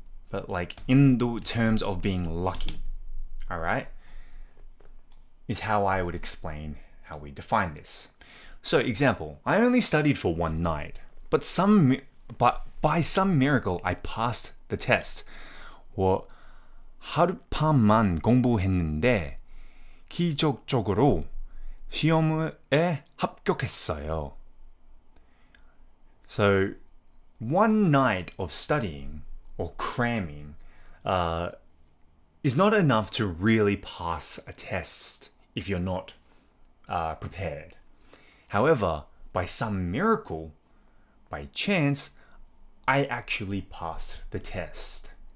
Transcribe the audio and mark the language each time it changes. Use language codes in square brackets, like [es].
[en] But like, in the terms of being lucky, alright? Is how I would explain how we define this. So, example, I only studied for one night. But by some miracle, I passed the test. [ko] 我 하룻밤만 공부했는데 기적적으로 시험에 합격했어요. [en] So, one night of studying or cramming is not enough to really pass a test if you're not prepared. However, by some miracle, by chance, I actually passed the test.